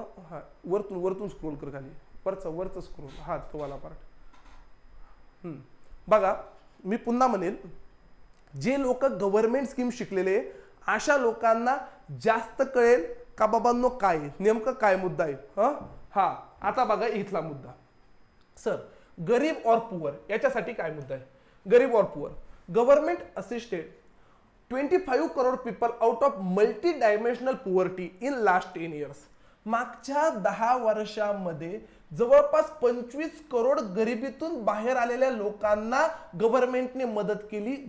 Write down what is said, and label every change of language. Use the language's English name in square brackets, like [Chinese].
[Marathi] हां, वरतून स्क्रोल कर खाली, वरचं स्क्रोल. हा तो वाला पार्ट बघा. मी पुन्हा म्हणेल, जे लोक गव्हर्नमेंट स्कीम शिकलेले अशा लोकांना जास्त कळेल का बाबांनो काय नेमकं काय मुद्दा आहे. हां, आता बघा इथला मुद्दा सर. गरीब और पुअर याच्यासाठी काय मुद्दा आहे. [English] गरीब और poor, government assisted 25 crore people out of multidimensional poverty in last 10 years. [Marathi] मागच्या 10 वर्षांमध्ये जवळपास 25 करोड गरिबीतून बाहेर आलेल्या लोकांना गव्हर्नमेंटने मदत केली.